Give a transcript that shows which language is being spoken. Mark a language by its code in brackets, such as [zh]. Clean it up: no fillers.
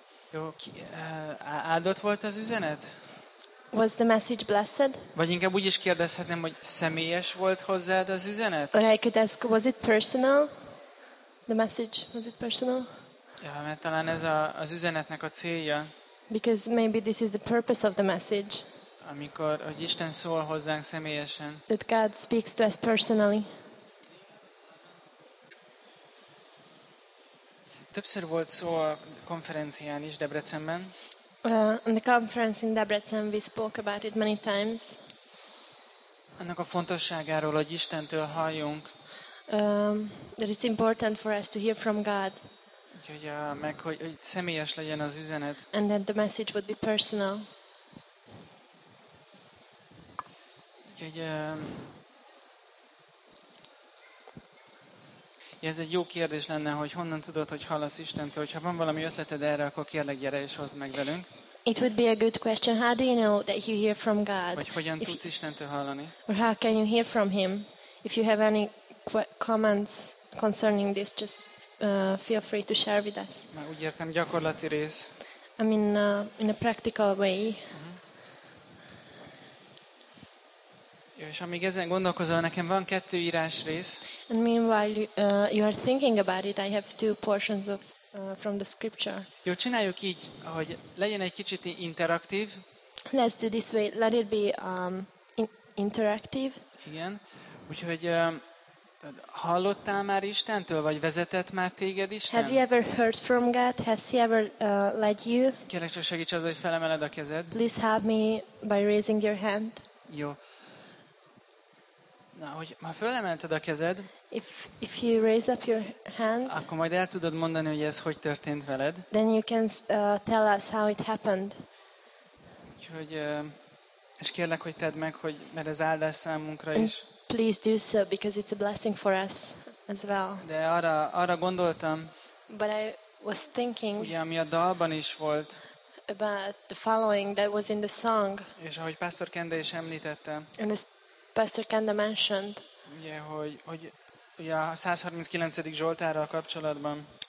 [hu] Jó, áldott volt az üzenet? [en] Was the message blessed? [hu] Vagy inkább úgy is kérdezhetném, hogy személyes volt hozzád az üzenet? [en] Or I could ask, was it personal? The message, was it personal? [hu] Ja, mert talán ez az üzenetnek a célja. [en] Because maybe this is the purpose of the message. [hu] Amikor, hogy Isten szól hozzánk személyesen. [en] That God speaks to us personally. [hu] Többször volt szó a konferencián is Debrecenben. [en] On the conference in Debrecen we spoke about it many times. [hu] Annak a fontosságáról, hogy Istentől halljunk. [en] That it's important for us to hear from God. [hu] Úgyhogy meg, hogy személyes legyen az üzenet. [en] And that the message would be personal. [hu] Úgyhogy ez egy jó kérdés lenne, hogy honnan tudod, hogy hallasz Istentől. Hogyha van valami ötleted erre, akkor kérlek, gyere és hozd meg velünk. [en] It would be a good question. How do you know that you hear from God? [hu] Vagy hogyan tudsz Istentől hallani? [en] Or how can you hear from Him? If you have any comments concerning this, just feel free to share with us. [hu] Már úgy értem, gyakorlati rész. [en] I mean, in a practical way. [hu] Jó, és amíg ezen gondolkozol, nekem van kettő írás rész. [en] And meanwhile, you are thinking about it, I have two portions of from the scripture. [hu] Jó, csináljuk így, hogy legyen egy kicsit interaktív. [en] Let's do this way, let it be interactive. [hu] Igen, úgyhogy hallottál már Istentől, vagy vezetett már téged Isten? [en] Have you ever heard from God? Has He ever led you? [hu] Kérlek csak segíts az, hogy felemeled a kezed. [en] Please help me by raising your hand. [hu] Jó. Na, hogy ha felemelted a kezed, [en] if you raise up your hand, [hu] akkor majd el tudod mondani, hogy ez hogy történt veled. [en] Then you can tell us how it happened. [hu] Úgyhogy, és kérlek, hogy tedd meg, hogy mert ez áldás számunkra is. [en] Please do so because it's a blessing for us as well. [hu] De arra gondoltam. [en] But I was thinking. [hu] Ugye, ami a dalban is volt. [en] About the following that was in the song. [hu] És ahogy Pastor Kende is említette. [en] And as Pastor Kende mentioned. [hu] Ugye, hogy a 139. Zsoltárral kapcsolatban.